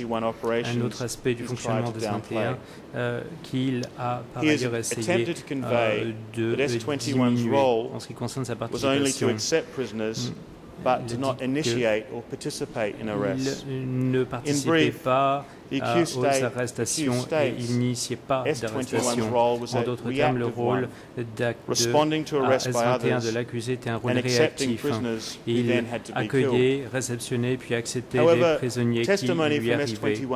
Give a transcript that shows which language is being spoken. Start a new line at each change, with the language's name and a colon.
French: Un autre aspect du fonctionnement des 21 qu'il a par ailleurs essayé de diminuer en ce qui concerne sa participation.
English: but did not initiate or participate in arrest.
French: Il ne participait pas aux arrestations et il n'initiait pas d'arrestation. En d'autres termes, le rôle S21 de l'accusé était un rôle réactif. Il accueillait, réceptionnait, puis acceptait les prisonniers qui lui arrivaient.